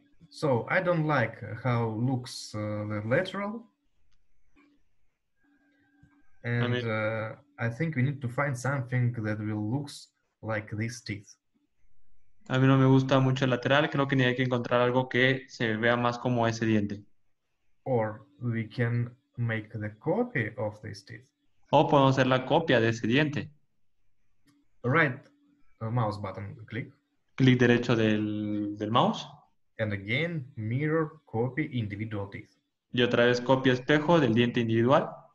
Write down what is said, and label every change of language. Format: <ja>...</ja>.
<en>So, I don't like how looks the lateral. And I think we need to find something that will look like these teeth.</en> <es>A mí no me gusta mucho el lateral. Creo que ni hay que encontrar algo que se vea más como ese diente.</es> <en>Or we can make the copy of these teeth.</en> <es>O podemos hacer la copia de ese diente.</es> <en>Right mouse button click.</en> <es>Clic derecho del mouse.</es> <en>And again, mirror copy individual teeth.</en> <es>Y otra vez copia espejo del diente individual.</es>